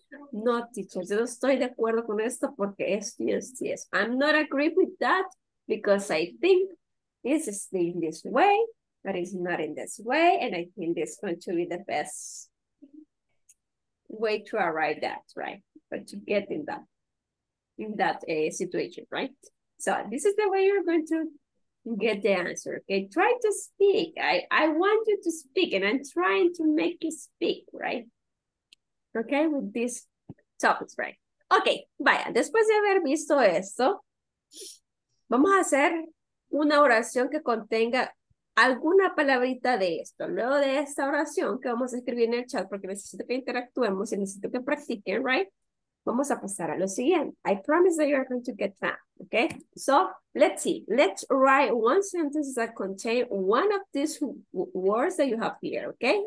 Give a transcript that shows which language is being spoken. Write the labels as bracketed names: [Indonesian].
[Spanish] No, teacher, yo no estoy de acuerdo con esto porque esto es, yes. [English] I'm not agree with that because I think this is in this way, but it's not in this way, and I think this is going to be the best way to arrive that, right? But to get in that situation, right? So this is the way you're going to get the answer, okay? Try to speak. I want you to speak, and I'm trying to make you speak, right? Okay, with these topics, right? [Spanish] Okay, vaya, después de haber visto esto, vamos a hacer una oración que contenga alguna palabrita de esto. Luego de esta oración que vamos a escribir en el chat, porque necesito que interactuemos y necesito que practiquen, right? Vamos a pasar a lo siguiente. [English] I promise that you are going to get that, okay? So, let's see. Let's write one sentence that contain one of these words that you have here, okay?